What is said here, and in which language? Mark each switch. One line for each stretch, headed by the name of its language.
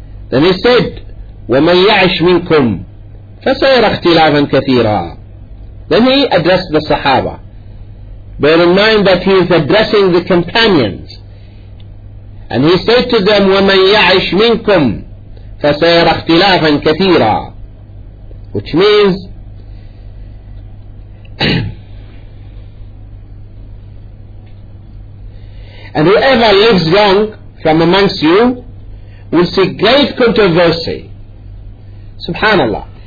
English: Then he said,
Arabic: وَمَنْ يَعِشْ مِنْكُمْ فَسَيْرَ اخْتِلَافًا كَثِيرًا.
English: Then he addressed the Sahaba. Bear in mind that he is addressing the companions. And he said to them,
Arabic: وَمَنْ يَعِشْ مِنْكُمْ فَسَيْرَ اخْتِلَافًا كَثِيرًا.
English: Which means, and whoever lives long from amongst you will see great controversy. Subhanallah.